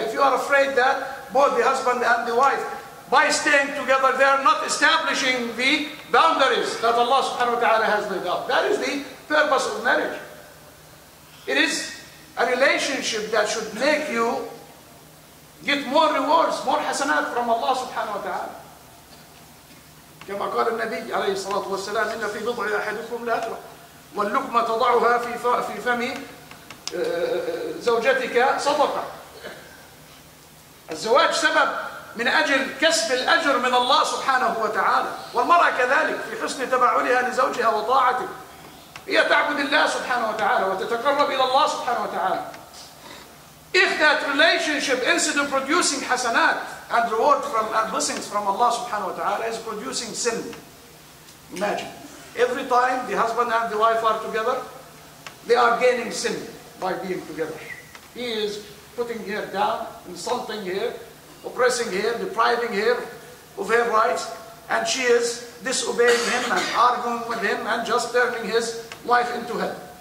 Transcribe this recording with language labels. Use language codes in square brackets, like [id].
[en] If you are afraid that both the husband and the wife, by staying together, they are not establishing the boundaries that Allah subhanahu wa ta'ala has laid out. That is the purpose of marriage. It is a relationship that should make you get more rewards, more hasanat from Allah subhanahu wa ta'ala. [ar] كما قال النبي عليه الصلاة والسلام إن في بضع أحدكم لا أدرى واللقمة تضعها في فم زوجتك صدقة. الزواج سبب من أجل كسب الأجر من الله سبحانه وتعالى، والمرأة كذلك في حسن تبعلها لزوجها وطاعته، هي تعبد الله سبحانه وتعالى وتتقرب إلى الله سبحانه وتعالى. [en] If that relationship, instead of producing حسنات and reward from and blessings from Allah سبحانه وتعالى, is producing sin, imagine. Every time the husband and the wife are together, they are gaining sin by being together. He is putting her down, insulting her, oppressing her, depriving her of her rights, and she is disobeying him and arguing with him and just turning his wife into hell.